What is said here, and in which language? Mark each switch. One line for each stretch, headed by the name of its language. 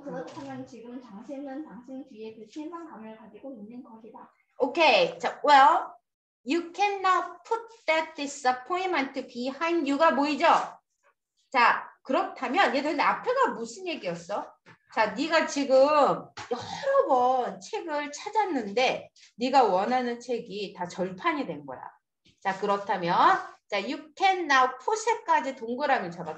Korean: 그렇다면 지금 당신은 당신 뒤에 그 실망감을 가지고 있는 것이다. 오케이. 자,
English: well, you cannot put that disappointment behind you
Korean: 가 보이죠? 자, 그렇다면 얘들 앞에가 무슨 얘기였어? 자, 네가 지금 여러 번 책을 찾았는데 네가 원하는 책이 다 절판이 된 거야. 자, 그렇다면 자,
English: you can now put
Korean: 까지 동그라미 쳐봐.